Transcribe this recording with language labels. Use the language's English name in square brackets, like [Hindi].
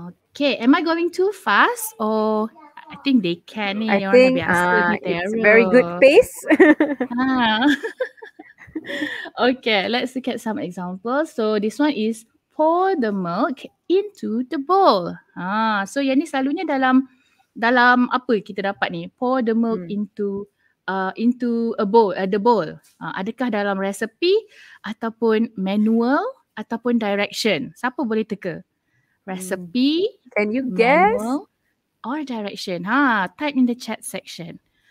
[English] Okay, am I going too fast or... I think they can. I think it's very good pace. Okay, let's look at some examples. So this one is pour the milk into the bowl. [Malay] So yang ni selalunya dalam apa kita dapat ni? [English] Pour the milk into a bowl, the bowl. [Malay] Adakah dalam recipe ataupun manual ataupun direction? Siapa boleh teka? Recipe? [English] Can you guess? Manual, or direction, type in the chat section.